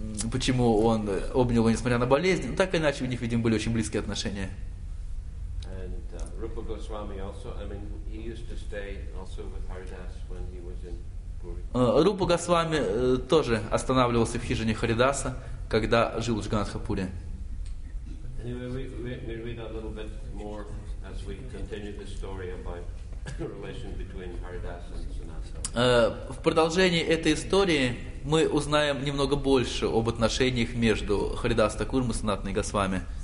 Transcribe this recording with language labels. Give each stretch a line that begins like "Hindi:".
Russian: Почему он обнял его, несмотря на болезнь? Но так или иначе, у них, видимо, были очень близкие отношения.
English: Rupa Goswami also, I mean, he used to stay also with Haridas when he was in Puri.
Russian: Rupa Goswami тоже останавливался в хижине Харидаса, когда жил в Джаганатхапуре.
English: Anyway, we read a little bit more as we continue the story about the relation between Haridas and Sanatana.
Russian: В продолжении этой истории мы узнаем немного больше об отношениях между Харидас Такуром и Санатаной Госвами.